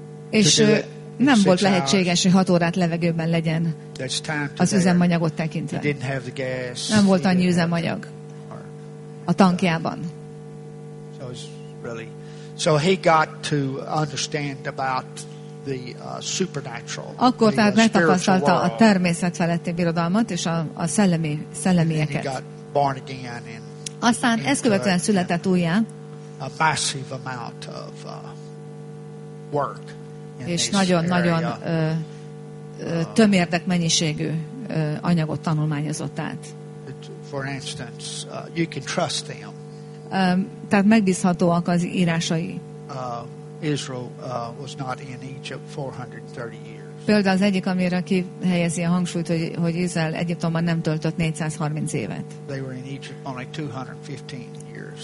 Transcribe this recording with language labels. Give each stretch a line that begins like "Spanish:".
Hungarian: És nem volt lehetséges, hogy 6 órát levegőben legyen az üzemanyagot tekintve. Nem volt annyi üzemanyag a tankjában.
English: Really. So he got to understand about the supernatural.
Hungarian: Akkor tehát megtapasztalta a természet feletti birodalmat és a szellemieket.
English: And then he got born again and
Hungarian: aztán ezt követően született újjá.
English: A massive amount of work.
Hungarian: És nagyon-nagyon tömérdek mennyiségű anyagot tanulmányozott át.
English: For instance, you can trust them.
Hungarian: tehát megbízhatóak az írásai.
English: Israel was not in Egypt 430 years.
Hungarian: Például az egyik, amire kihelyezi a hangsúlyt, hogy Izrael Egyiptomban nem töltött 430 évet.
English: They were in Egypt only 215 years.